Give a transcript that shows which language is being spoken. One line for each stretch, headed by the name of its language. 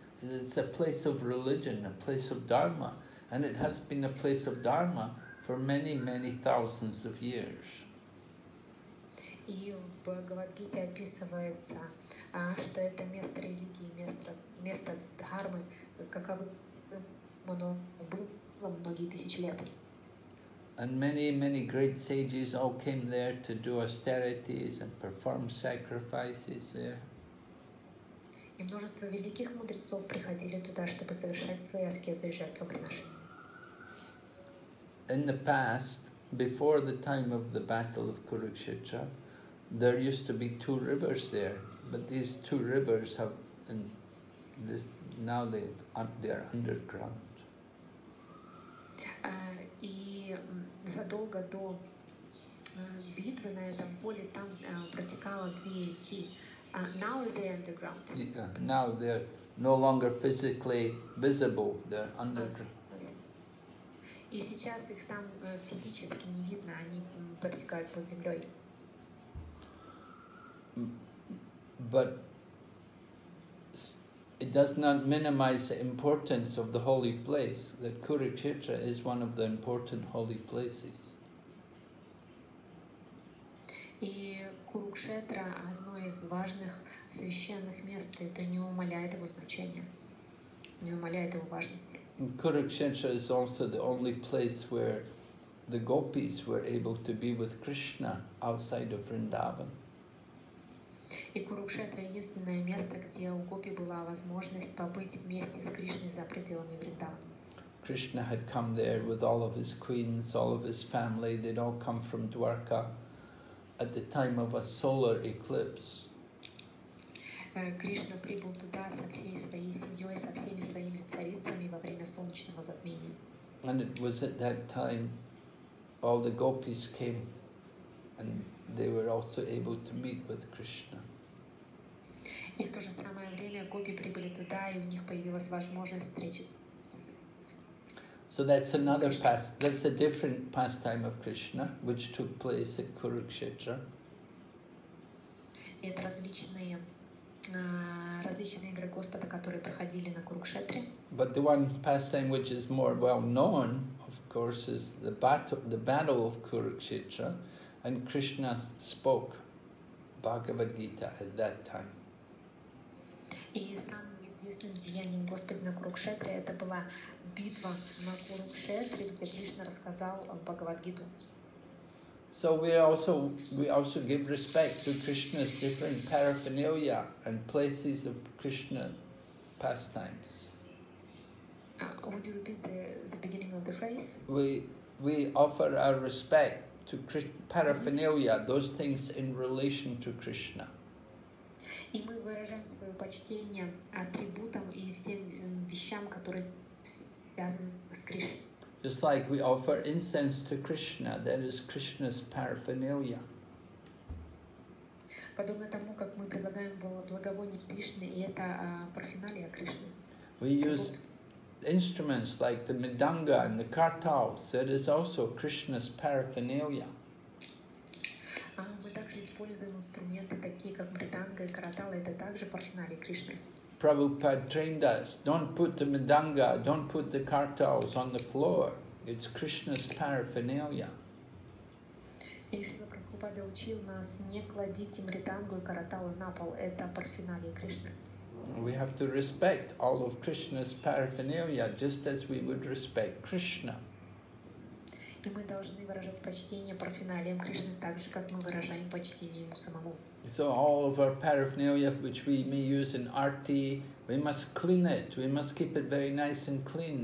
English: It's a place of religion, a place of dharma, and it has been a place of dharma for many, many thousands of years.
Russian: И в Бхагавад-гите описывается, что это место религии, место дхармы, было многие тысячи лет.
English: And many, many great sages all came there to do austerities and perform sacrifices there.
Russian: И множество великих мудрецов приходили туда, чтобы совершать свои аскезы и жертвоприношения.
English: In the past, before the time of the battle of Kurukshetra, there used to be two rivers there, but these two rivers have, and this, now they are underground.
Russian: И задолго до битвы на этом поле там протекало две реки.
English: Now they're underground. Yeah, now they're no longer physically visible. They're underground.
Russian: И сейчас их там физически не видно. Они протекают под землей.
English: But it does not minimize the importance of the holy place, that Kurukshetra is one of the important holy places.
Russian: И Курукшетра одно из важных священных мест, это не умаляет его значения, не умаляет его важности.
English: And Kurukshetra is also the only place where the gopis were able to be with Krishna outside of Vrindavan.
Russian: И Курукшетра единственное место, где у гопи была возможность побыть вместе с Кришной за пределами Вриндавана.
English: Krishna had come there with all of his queens, all of his family. They'd all come from Dwarka at the time of a solar eclipse.
Russian: Кришна прибыл туда со всей своей семьей, со всеми своими царицами во время солнечного затмения.
English: And it was at that time all the gopis came and they were also able to meet with Krishna.
Russian: И в то же самое время гопи прибыли туда, и у них появилась возможность встречи.
English: So that's another past. That's a different pastime of Krishna, which took place at Kurukshetra.
Russian: Это различные различные игры Господа, которые проходили на Курукшетре.
English: But the one pastime which is more well known, of course, is the battle of Kurukshetra. And Krishna spoke Bhagavad Gita at that time.
Russian: И самым известным деянием Господа на Курукшетре это была битва на Курукшетре, где Кришна рассказал Бхагавад Гиту.
English: So we also give respect to Krishna's different paraphernalia and places of Krishna's pastimes. Would you repeat the beginning of the phrase? We offer our respect to paraphernalia, those things in relation to Krishna.
Russian: И мы выражаем свое почтение атрибутам и всем вещам, которые связаны с Кришной.
English: Just like we offer incense to Krishna, that is Krishna's paraphernalia.
Russian: Подобно тому, как мы предлагаем благовоние Кришне, и это парфюмерия Кришны.
English: We use instruments like the mridanga and the kartals, that is also Krishna's paraphernalia.
Russian: Мы также используем инструменты, такие как мриданга и картал, это также парфюмерия Кришны.
English: Prabhupada trained us, don't put the mridanga, don't put the kartals on the floor. It's Krishna's paraphernalia.
Russian: И Шрила Прабхупада учил нас, не кладите мридангу и карталы на пол, это парфюмерия Кришны.
English: We have to respect all of Krishna's paraphernalia, just as we would respect Krishna.
Russian: И мы должны выражать почтение парфюналиям Кришны так же, как мы выражаем почтение ему самому.
English: So all of our paraphernalia, which we may use in arti, we must clean it. We must keep it very nice and clean.